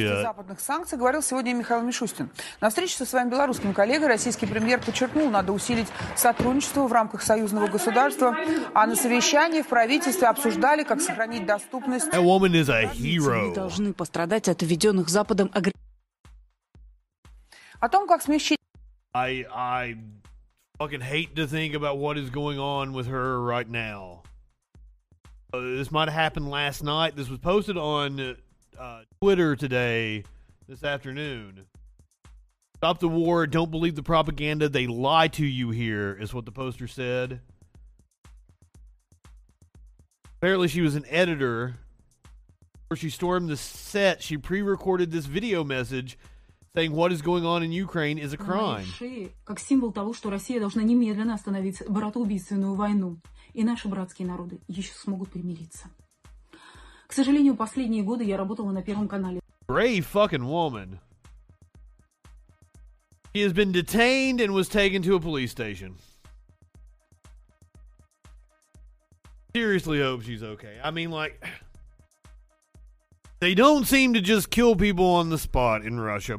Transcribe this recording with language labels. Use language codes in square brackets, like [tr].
[ru] Воздействие западных санкций, говорил сегодня Михаил Мишустин. На встрече со своим белорусским коллегой российский премьер подчеркнул, надо усилить сотрудничество в рамках союзного государства, а на совещании в правительстве обсуждали, как сохранить доступность. [en] That woman is a hero. [ru] Не должны пострадать от введенных Западом о том, как смягчить. [en] I fucking hate to think about what is going on with her right now. This might have happened last night. This was posted on Twitter today, this afternoon. Stop the war. Don't believe the propaganda. They lie to you here, is what the poster said. Apparently she was an editor. Before she stormed the set, she pre-recorded this video message saying what is going on in Ukraine is a crime. [ru] Как символ того, что Россия должна немедленно остановить братоубийственную войну, и наши братские народы еще смогут примириться. К сожалению, последние годы я работала на Первом канале. [en] Brave fucking woman. She has been detained and was taken to a police station. Seriously hope she's okay. I mean, like, they don't seem to just kill people on the spot in Russia.